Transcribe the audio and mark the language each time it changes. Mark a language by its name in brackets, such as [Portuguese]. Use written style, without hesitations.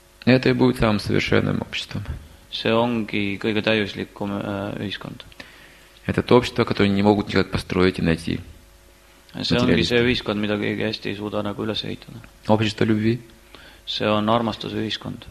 [Russian] Это и будет самым совершенным обществом. [Estonian] See ongi kõige täiuslikum ühiskond. [Russian] Это то общество, которое не могут никак построить и найти. [Estonian] See ongi see ühiskond, mida keegi hästi ei suuda nagu üles ehitada. [Russian] Общество любви. [Estonian] See on armastus ühiskond.